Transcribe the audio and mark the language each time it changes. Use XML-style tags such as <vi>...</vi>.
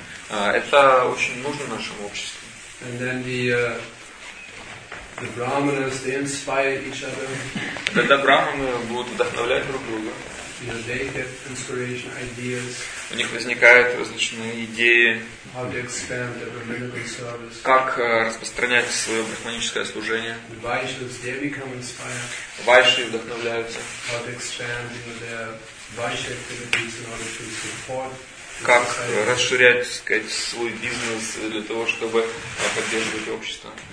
<ru>Это очень нужно нашему обществу.</ru> <en>And then the brahmanas, they inspire each other.</en> <ru>Тогда брахманы будут вдохновлять друг друга.</ru> <en>You know, they get inspiration, ideas.</en> <ru>У них возникают различные идеи.</ru> <en>How to expand the brahminical service.</en> <ru>Как распространять свое брахманическое служение.</ru> <en>The vaishnavas, they become inspired.</en> <ru>Вайши вдохновляются.</ru> <en>How to expand, you know, their vaishya activities in order to support.</en> <ru>Как расширять, так сказать, свой бизнес для того, чтобы поддерживать общество.</ru>